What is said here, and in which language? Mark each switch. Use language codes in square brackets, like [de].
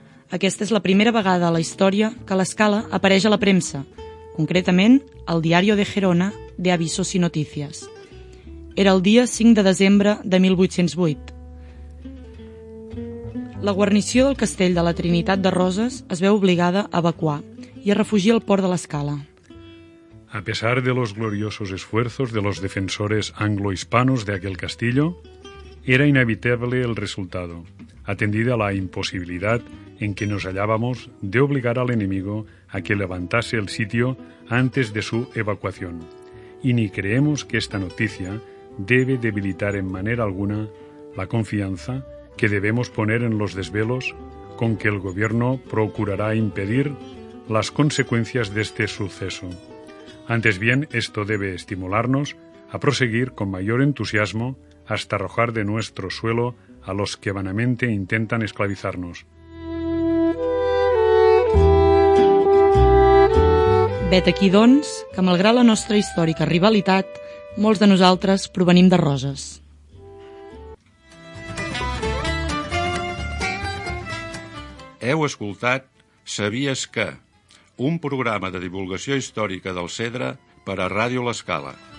[ca] Aquesta és la primera vegada a la història que l'Escala apareix a la premsa, concretament al Diario de Gerona de Avisos y Noticias. Era el dia 5 de desembre de 1808. La guarnició del castell de la Trinitat de Roses es veu obligada a evacuar i a refugiar al port de l'Escala. [es] A pesar de los gloriosos esfuerzos de los defensores anglo-hispanos de aquel castillo, era inevitable el resultado, atendida la imposibilidad en que nos hallábamos de obligar al enemigo a que levantase el sitio antes de su evacuación. Y ni creemos que esta noticia debe debilitar en manera alguna la confianza que debemos poner en los desvelos con que el gobierno procurará impedir las consecuencias de este suceso. Antes bien, esto debe estimularnos a proseguir con mayor entusiasmo hasta arrojar de nuestro suelo a los que vanamente intentan esclavizarnos. [ca] Vet aquí, doncs, que malgrat la nostra històrica rivalitat, molts de nosaltres provenim de Roses. Heu escoltat Sabies que? Un programa de divulgació històrica del Cedre per a Ràdio L'Escala.